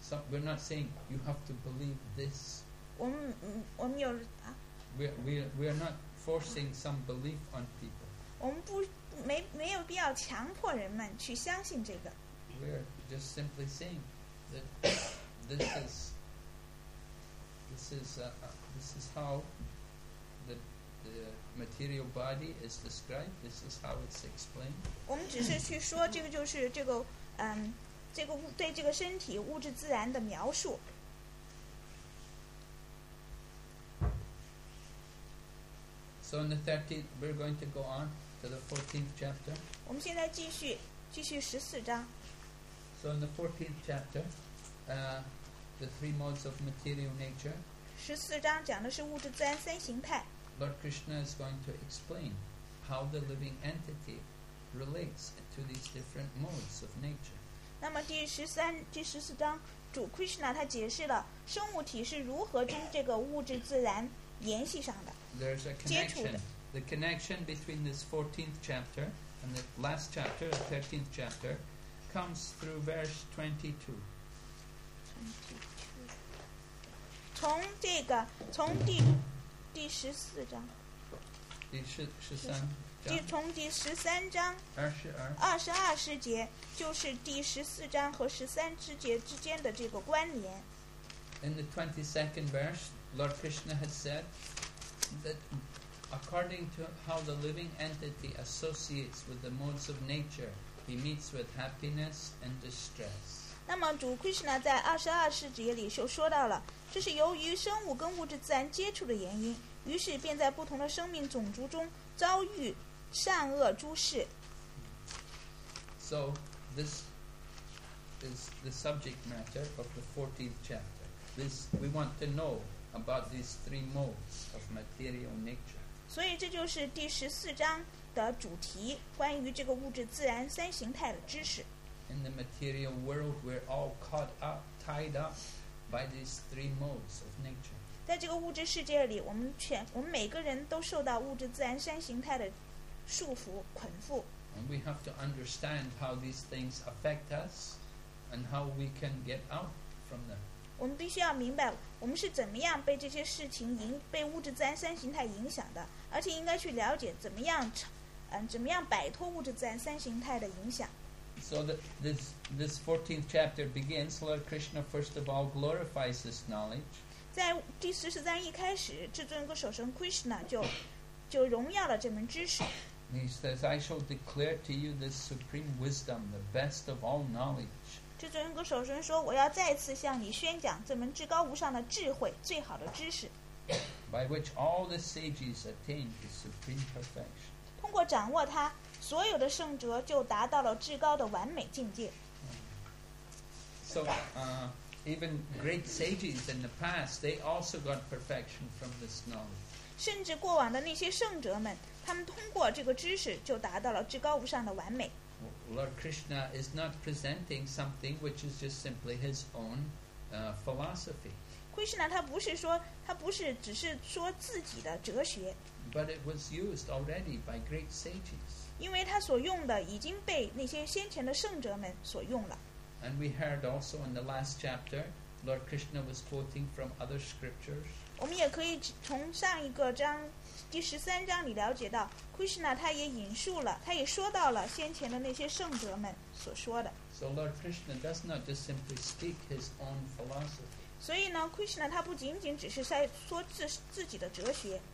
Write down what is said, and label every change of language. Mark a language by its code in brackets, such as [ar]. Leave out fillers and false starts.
[en] We're not saying you have to believe this. [zh] 我们有啊。 [en] We are not forcing some belief on people. [zh] 我们没有必要强迫人们去相信这个。 [en] We're just simply saying that this is how the material body is described. This is how it's explained. [zh] 我们只是去说这个就是这个这个对这个身体物质自然的描述。 [en] So in the 13th, we're going to go on to the 14th chapter. [zh] 我们现在继续十四章。 [en] So in the 14th chapter, the three modes of material nature. [zh] 十四章讲的是物质自然三形态。 [en] Lord Krishna is going to explain how the living entity relates to these different modes of nature. [zh] 那么第十四章，主 Krishna 他解释了生物体是如何跟这个物质自然联系上的。 [en] There's a connection. The connection between this 14th chapter and the last chapter, the 13th chapter. Comes through verse 22. [zh] 从这个从第十四章第十三第从第十三章 22节，就是第十四章和十三之节之间的这个关联。 [en] In the 22nd verse, Lord Krishna had said that according to how the living entity associates with the modes of nature, he meets with happiness and distress. [zh] 那么主 Krishna 在二十二世节里就说到了，这是由于生物跟物质自然接触的原因，于是便在不同的生命种族中遭遇善恶诸事。 [en] So, this is the subject matter of the 14th chapter. This, we want to know about these three modes of material nature. [zh] 所以这就是第十四章的主题，关于这个物质自然三形态的知识。 [en] In the material world, we're all caught up, tied up by these three modes of nature. [zh] 在这个物质世界里，我们每个人都受到物质自然三形态的束缚、捆缚。 [en] And we have to understand how these things affect us and how we can get out from them. [zh] 我们必须要明白我们是怎么样被这些事情被物质自然三形态影响的，而且应该去了解怎么样摆脱物质自然三形态的影响。 [en] So this 14th chapter begins, Lord Krishna first of all glorifies this knowledge. [zh] 在第十四章一开始，至尊歌手神 Krishna 就荣耀了这门知识。 [en] He says, I shall declare to you this supreme wisdom, the best of all knowledge. [zh] 至尊歌手神说，我要再次向你宣讲这门至高无上的智慧，最好的知识。 [en] By which all the sages attain the supreme perfection. [zh] 通过掌握它，所有的圣哲就达到了至高的完美境界。 [en] So, even great sages in the past, they also got perfection from this knowledge. [zh] 甚至过往的那些圣哲们，他们通过这个知识就达到了至高无上的完美。 [en] Lord Krishna is not presenting something which is just simply his own philosophy. [zh] Krishna, 他不是只是说自己的哲学。 [en] But it was used already by great sages. [zh] 因为他所用的已经被那些先前的圣哲们所用了。 [en] And we heard also in the last chapter, Lord Krishna was quoting from other scriptures. [zh] 我们也可以从上一个章第十三章里了解到。 Krishna 他也引述了，他也说到了先前的那些圣哲们所说的。 So Lord Krishna does not just simply speak his own philosophy. 所以呢 ，Krishna 他不仅仅只是在说自己的哲学。